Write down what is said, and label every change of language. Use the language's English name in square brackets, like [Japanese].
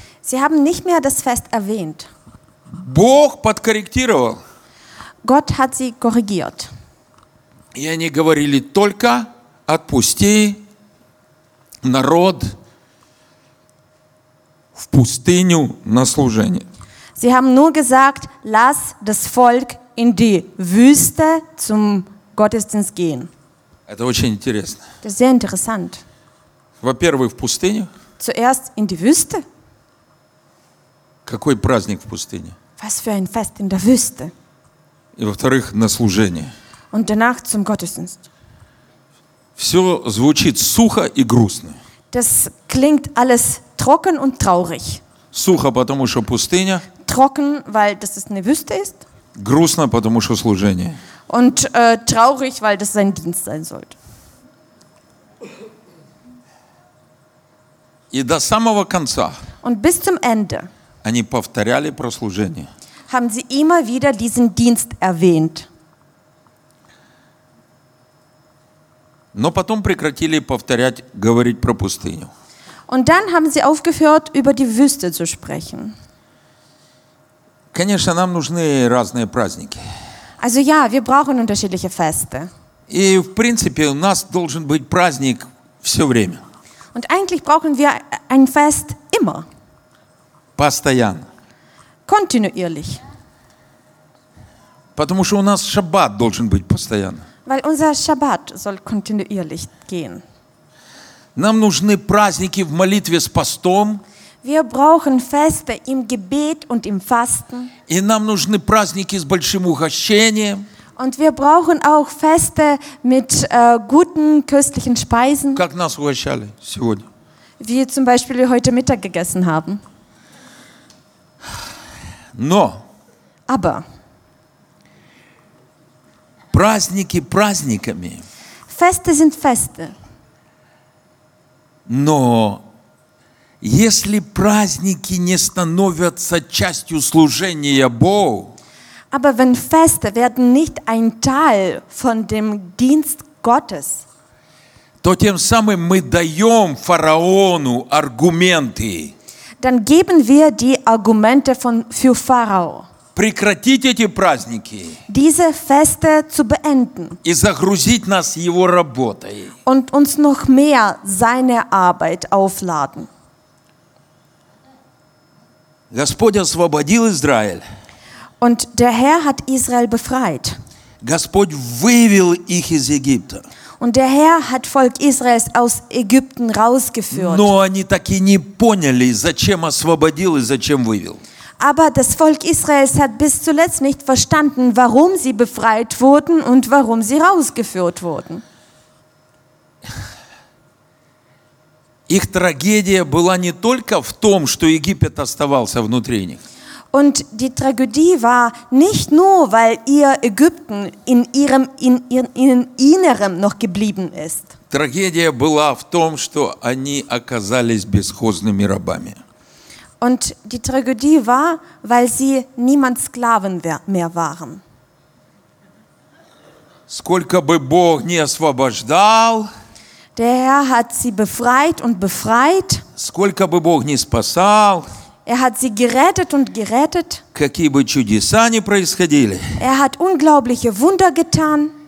[German] Sie haben nicht mehr das Fest erwähnt. [Russian] Бог подкорректировал. [German] Gott hat sie korrigiert. [Russian] И они говорили только: отпусти народ в пустыню на служение. [German] Sie haben nur gesagt: lass das Volk in die Wüste zum Gottesdienst gehen. [Russian] Это очень интересно. [German] Das ist sehr interessant. [Russian] Во-первых, в пустыню. [German] Zuerst in die Wüste. [Russian] Какой праздник в пустыне? [German] Was für ein Fest in der Wüste. [Russian] И во-вторых, на служение. [German] Und danach zum Gottesdienst. [Russian] Все звучит сухо и грустно. [German] Das klingt alles trocken und traurig. [Russian] Сухо, потому что пустыня. [German] Trocken, weil das ist eine Wüste ist. [Russian] Грустно, потому что служение. [German] Und traurig, weil das sein Dienst sein sollte. [Russian] И до самого конца. [German] Und bis zum Ende. [Russian] Они повторяли про служение. [German] Haben sie immer wieder diesen Dienst erwähnt. [Russian] Но потом прекратили повторять, говорить про пустыню. [German] Und dann haben sie aufgehört, über die Wüste zu sprechen. [Russian] Конечно, нам нужны разные праздники. [German] Also ja, wir brauchen unterschiedliche Feste. [Russian] И в принципе, у нас должен быть праздник все время. [German] Und eigentlich brauchen wir ein Fest immer. [Russian] Постоянно. [German] Kontinuierlich. [Russian] Потому что у нас Шаббат должен быть постоянно. [German] Weil unser Schabbat soll kontinuierlich gehen. [Russian] Нам нужны праздники в молитве с постом. [German] Wir brauchen Feste im Gebet und im Fasten. [Russian] И нам нужны праздники с большим угощением. [German] Und wir brauchen auch Feste mit guten köstlichen Speisen. [Russian] Как нас угощали сегодня? [German] Wie zum Beispiel wir heute Mittag gegessen haben. [Russian] Но. [German] Aber. [Russian] Праздники праздниками. [German] Feste sind Feste. [Russian] Но если праздники не становятся частью служения Богу, [German] aber wenn Feste werden nicht ein Teil von dem Dienst Gottes, [Russian] то тем самым мы даем фараону аргументы. [German] Dann geben wir die Argumente für Pharao. [Russian] Прекратить эти праздники. [German] Diese Feste zu beenden. [Russian] И загрузить нас его работой. [German] Und uns noch mehr seine Arbeit aufladen. [Russian] Господь освободил Израиль. [German] Und der Herr hat Israel befreit. [Russian] Господь вывел их из Египта. [German] Und der Herr hat Volk Israels aus Ägypten rausgeführt. [Russian] Но они так и не поняли, зачем освободил и зачем вывел. [German] Aber das Volk Israels hat bis zuletzt nicht verstanden, warum sie befreit wurden und warum sie rausgeführt wurden. [Russian] Их трагедия была не только в том, что Египет оставался внутри них. [German] Und die Tragödie war nicht nur, weil ihr Ägypten in ihrem Inneren noch geblieben ist. [Russian] Трагедия была в том, что они оказались бесхозными рабами. [German] Und die Tragödie war, weil sie niemand Sklaven mehr waren. [Russian] Сколько бы Бог не освобождал, [German] der Herr hat sie befreit und befreit. [Russian] Сколько бы Бог не спасал, [German] er hat sie gerettet und gerettet. [Russian] Какие бы чудеса не происходили, [German] er hat unglaubliche Wunder getan.